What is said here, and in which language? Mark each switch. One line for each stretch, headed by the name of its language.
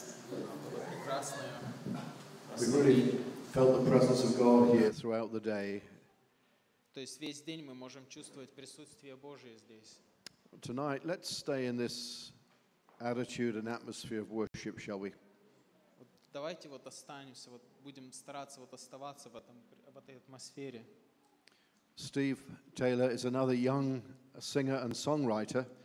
English: We really felt the presence of God here throughout the day.
Russian: То есть весь день мы можем чувствовать присутствие Божие здесь.
English: Tonight, let's stay in this attitude and atmosphere of worship, shall we?
Russian: Давайте вот останемся, вот будем стараться вот оставаться в этом в этой атмосфере.
English: Steve Taylor is another young singer and songwriter.